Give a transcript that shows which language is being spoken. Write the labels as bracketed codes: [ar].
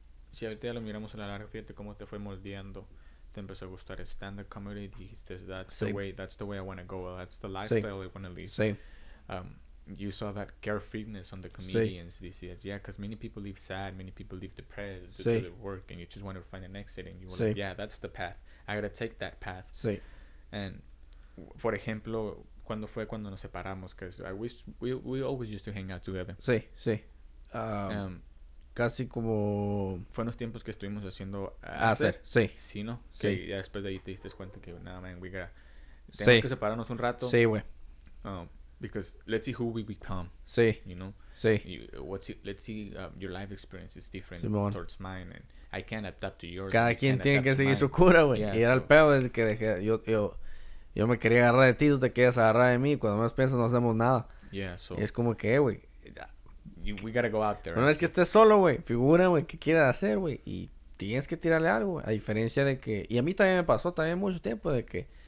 [es] Si ahorita ya lo miramos a la larga, fíjate cómo te fue moldeando. Te empezó a gustar stand-up comedy. Dijiste, [en] that's the way I want to go. That's the lifestyle, [es] sí, [en] I want to live. [es] Sí. [en] You saw that carefreeness on the comedians. Sí. These years. Yeah, because many people live sad. Many people live depressed due, sí, to their work. And you just want to find an exit. And you were, sí, like, yeah, that's the path. I got to take that path. [es] Sí. [en] And, for example, [es] ¿cuándo fue cuando nos separamos? [en] Because we always used to hang out together. [es] Sí, sí. Casi como... Fue en los tiempos que estuvimos haciendo... Hacer, sí. Sí, ¿no? Sí. Que ya después de ahí te diste cuenta que... [en] Nah, man, we gotta... [es] Tenemos, sí, que separarnos un rato. Sí, güey. [en] Because let's see who we become. [es] Sí. [en] You know? [es] Sí. [en] Let's see your life experience is different, Simón, towards mine. And I can't adapt to yours. [es] Cada quien tiene que seguir su cura, güey. Yeah, y era el pedo desde que dejé... Yo me quería agarrar de ti, tú te querías agarrar de mí. Cuando menos piensas, no hacemos nada. [en] Yeah, so... [es] Y es como que, güey... [en] We gotta go out there. [es] Una vez que estés solo, güey. Figura, güey. ¿Qué quieres hacer, güey? Y tienes que tirarle algo, güey. A diferencia de que... Y a mí también me pasó también mucho tiempo de que...